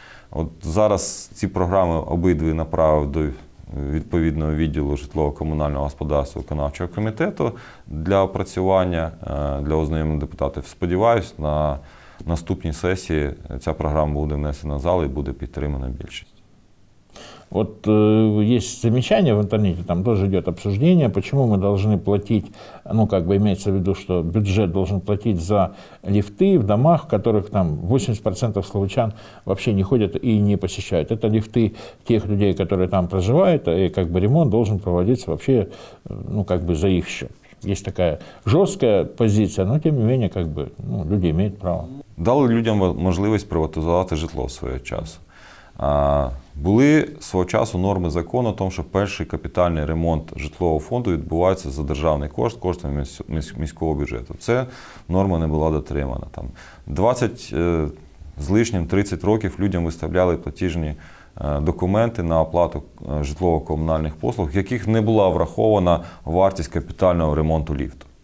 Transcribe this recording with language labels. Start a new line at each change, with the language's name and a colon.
Ukrainian: От зараз ці програми обидві направив до відповідного відділу житлово-комунального господарства виконавчого комітету для опрацювання, для ознайомлення депутатів. Сподіваюсь, на наступній сесії ця програма буде внесена в зал і буде підтримана більшість.
Russian: Вот есть замечание в интернете, там тоже идет обсуждение, почему мы должны платить, ну как бы имеется в виду, что бюджет должен платить за лифты в домах, в которых там 80% словачан вообще не ходят и не посещают. Это лифты тех людей, которые там проживают, и как бы ремонт должен проводиться вообще, ну как бы за их счет. Есть такая жесткая позиция, но тем не менее, как бы, ну, люди имеют право. Дали людям возможность приватизировать житло в свой час.
Ukrainian: Були свого часу норми закону, тому що перший капітальний ремонт житлового фонду відбувається за державний кошт, коштами міського бюджету. Це норма не була дотримана. Там 20 з лишнім, 30 років людям виставляли платіжні документи на оплату житлово-комунальних послуг, в яких не була врахована вартість капітального ремонту ліфту.